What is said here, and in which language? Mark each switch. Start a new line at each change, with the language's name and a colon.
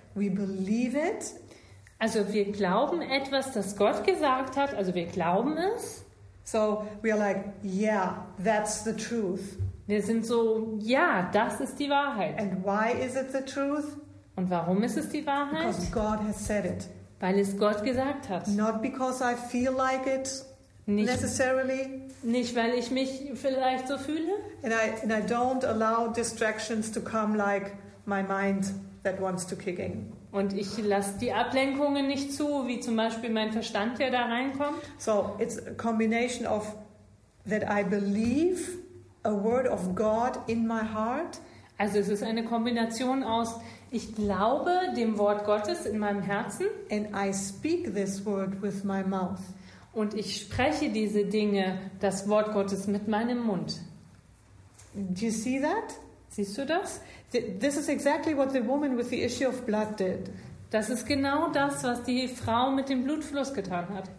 English: We believe it.
German: Also wir glauben etwas, das Gott gesagt hat. Also wir glauben es.
English: So we are like, yeah, that's the truth.
German: Wir sind so, ja, das ist die Wahrheit.
English: And why is it the truth?
German: Und warum ist es die Wahrheit?
English: Because God has said it.
German: Weil es Gott gesagt hat.
English: Not because I feel like it.
German: Nicht,
English: necessarily.
German: Nicht, weil ich mich vielleicht so fühle.
English: And I don't allow distractions to come like my mind that wants to kick in.
German: Und ich lasse die Ablenkungen nicht zu, wie zum Beispiel mein Verstand, der da reinkommt.
English: So, it's a combination of that I believe a word of God in my heart.
German: Also es ist eine Kombination aus, ich glaube dem Wort Gottes in meinem Herzen.
English: And I speak this word with my mouth.
German: Und ich spreche diese Dinge, das Wort Gottes, mit meinem Mund.
English: Do you see that?
German: Siehst du das?
English: This is exactly what the woman with the issue of blood did.
German: Das ist genau das, was die Frau mit dem Blutfluss getan hat.